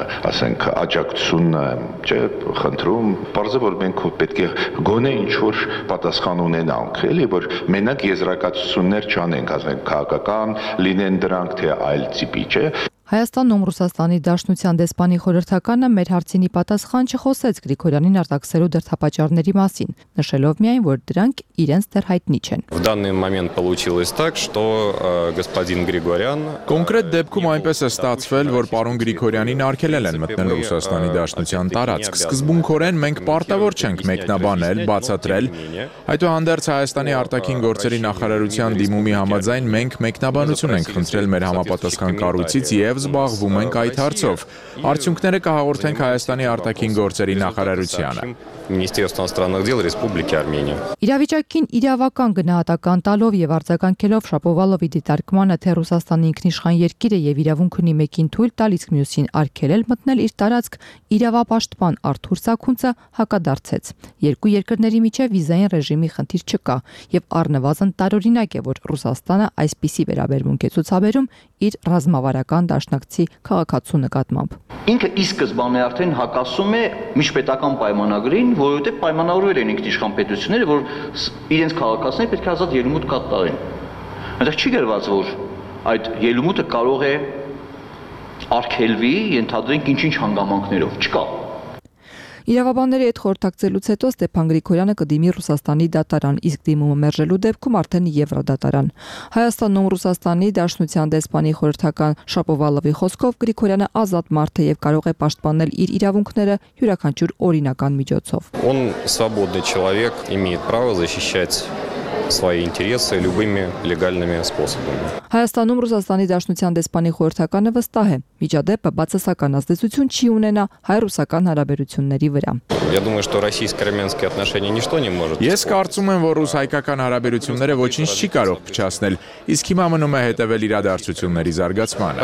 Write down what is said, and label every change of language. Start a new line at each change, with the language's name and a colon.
Armenian: ասենք, աջակցություն, չէ, խնդրում, պարզը, որ մենք պետք է գոնե ինչ-որ պատասխան ունենանք, էլի, որ մենակ եզրակացություններ չանենք, ասենք, քաղաքական լինեն դրանք, թե այլ տիպի, չէ։ Հայաստանում Ռուսաստանի Դաշնության դեսպանի խորհրդականը մեր հարցինի պատասխան չխոսեց Գրիգորյանին արտաքսելու դրդապատճառների մասին, նշելով միայն, որ դրանք իրենց դեռ հայտնի չեն։
Russian: В данный момент получилось так, что господин Григорян
Armenian: Կոնկրետ դեպքում այնպես է ստացվել, որ պարոն Գրիգորյանին արգելել են մտնել Ռուսաստանի Դաշնության տարածք։ Սկզբունքորեն մենք պարտավոր չենք մեկնաբանել, բացատրել։ Այդուհանդերձ Հայաստանի արտաքին գործերի նախարարության դիմումի համաձայն մենք մեկնաբանություն ենք խնդրել մեր համապատասխան կառույցից և զբաղվում ենք այդ հարցով։ Արդյունքները կհաղորդենք Հայաստանի արտաքին գործերի նախարարությանը։
Russian: Министерство иностранных дел Республики Армения։
Armenian: Իրավիճակին իրավական գնահատական տալով եւ արձագանքելով Շապովալովի դիտարկմանը, թե Ռուսաստանի ինքնիշխան երկիր է եւ իրավունք ունի մեկին թույլ տալիս մյուսին արգելել մտնել իր տարածք, իրավապաշտպան Արթուր Սաքունցը հակադարձեց։ Երկու երկրների միջև վիզային ռեժիմի խնդիր չկա եւ առնվազն տարօրինակ է, որ Ռուսաստանը այսպիսի վերաբերմունք է ցուցաբերում իր ռազմավարական դաշնակցի քաղաքացու նկատմամբ։ Ինքը ի սկզբանե արդեն հակասում է միջպետական պայմանագրին, որովհետև պայմանավորվել են ինքնիշխան պետությունները, որ իրենց քաղաքացիները պետք է ազատ ելումուտ կատարեն։ Այնտեղ չի գրված, որ այդ ելումուտը կարող է արգելվի, ենթադրենք ինչ-ինչ հանգամանքներով, չկա։ Իրավաբանների հետ խորհրդակցելուց հետո Ստեփան Գրիգորյանը կդիմի Ռուսաստանի դատարան, իսկ դիմումը մերժելու դեպքում արդեն Եվրադատարան։ Հայաստանում Ռուսաստանի Դաշնության դեսպանի խորհրդական Շապովալովի խոսքով Գրիգորյանը ազատ մարդ է եւ կարող է պաշտպանել իր իրավունքները յուրաքանչյուր օրինական միջոցով։
Russian: Он свободный человек, имеет право защищать свои интересы любыми легальными способами.
Armenian: Հայաստանում Ռուսաստանի Դաշնության դեսպանի խորհրդականը վստահ է, միջադեպը բացասական ազդեցություն չի ունենա հայ-ռուսական հարաբերությունների վրա։
Russian: Я думаю, что российско-армянские отношения ничто не может.
Armenian: Ես կարծում եմ, որ ռուս-հայկական հարաբերությունները ոչինչ չի կարող փչացնել, իսկ հիմա մնում է հետևել իրադարձությունների զարգացմանը։